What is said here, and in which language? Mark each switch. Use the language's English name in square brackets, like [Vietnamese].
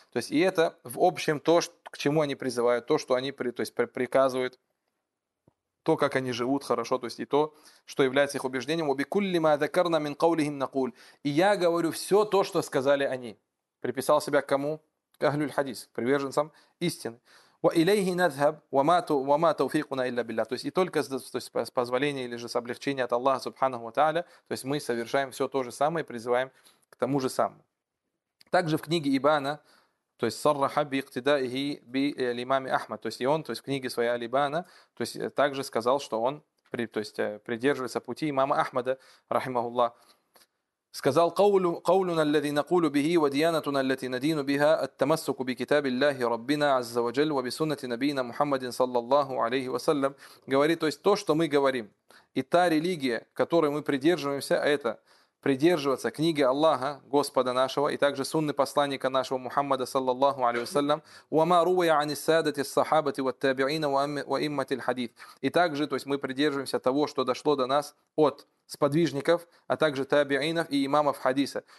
[Russian] То есть и это в общем то, к чему они призывают, то, что они то есть, приказывают, то, как они живут, хорошо, то есть и то, что является их убеждением. [Arabic] «Убикулли ма дакарна мин каулихим накуль». [Russian] И я говорю все то, что сказали они. Приписал себя к кому? К ахлю аль-Хадис, к приверженцам истины. [Arabic] وإليه نذهب وما وما توفيقنا إلا بالله. [Russian] То есть и только с позволения или же с облегчения от Аллаха субханаху ва тааля, то есть мы совершаем все то же самое и призываем к тому же самому. Также в книге Ибана, то есть [Arabic] صرح باقتدائه بالإمام أحمد, [Russian] то есть и он, то есть в книге своей Аль-Ибана, то есть также сказал, что он то есть придерживается пути имама Ахмада рахимахуллах. [Arabic] Сказал: قولنا الذي نقول به وديانتنا التي ندين بها التمسك بكتاب الله ربنا عز وجل وبسنة نبينا محمد صلى الله عليه وسلم. [Russian] Говорит, то есть то, что мы говорим, и та религия, которой мы придерживаемся, это придерживаться книги Аллаха, Господа нашего, и также сунны посланника нашего Мухаммада, саллаллаху алейхи ва саллям, [Arabic] وَمَا رُوَيَ عَنِ السَّادَةِ الصَّحَابَةِ وَالتَّابِعِينَ وَإِمَّةِ الْحَدِيثِ. [Russian] И также, то есть мы придерживаемся того, что дошло до нас от сподвижников, а также табиинов и имамов хадиса.